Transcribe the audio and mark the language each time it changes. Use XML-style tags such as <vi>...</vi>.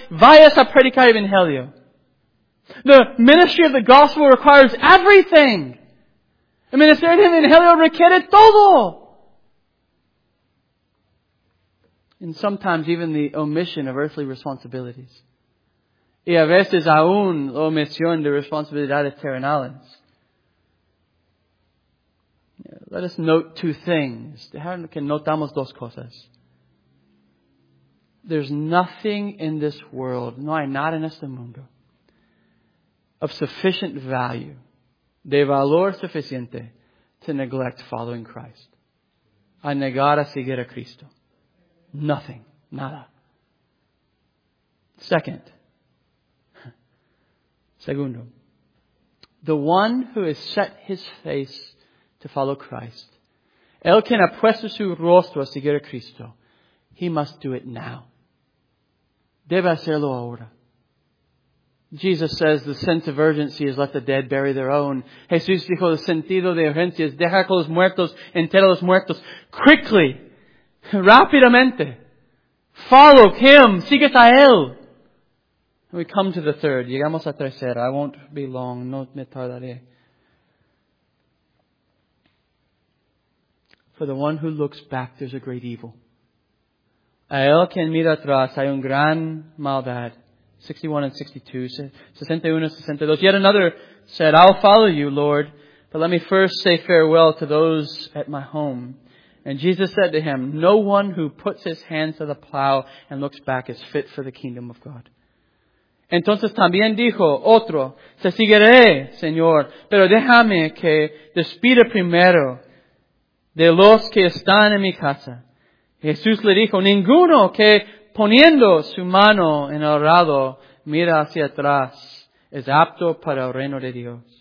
<es>Vayas a predicar el evangelio.</es> <en>The ministry of the gospel requires everything.</en> <es>El ministerio del evangelio requiere todo.</es> <en>And sometimes even the omission of earthly responsibilities.</en> <es>Y a veces aún la omisión de responsabilidades terrenales.</es> <en>Let us note two things.</en> <es>Dejar que notamos dos cosas.</es> <en>There's nothing in this world,</en> <es>no hay nada en este mundo,</es> <en>of sufficient value,</en> <es>de valor suficiente,</es> <en>to neglect following Christ.</en> <es>A negar a seguir a Cristo.</es> <en>Nothing.</en> <es>Nada. Segundo, the one who has set his face to follow Christ, el que ha puesto su rostro a seguir a Cristo, he must do it now. Debe hacerlo ahora.</es> <en>Jesus says the sense of urgency is let the dead bury their own.</en> <es>Jesús dijo, el sentido de urgencia es dejar que los muertos enterren a los muertos.</es> <en>Quickly, rápidamente, follow him,</en> <es>sigue a él.</es> <en>We come to the third.</en> <es>Llegamos a tercera.</es> <en>I won't be long.</en> <es>No me tardaré.</es> <en>For the one who looks back, there's a great evil.</en> <es>A él quien mira atrás, hay un gran maldad.</es> <en>61 and 62. 61 and 62. Yet another said, I'll follow you, Lord, but let me first say farewell to those at my home. And Jesus said to him, no one who puts his hands to the plow and looks back is fit for the kingdom of God.</en> <es>Entonces también dijo otro, te seguiré, Señor, pero déjame que despida primero de los que están en mi casa. Jesús le dijo, ninguno que poniendo su mano en el arado mira hacia atrás es apto para el reino de Dios.</es>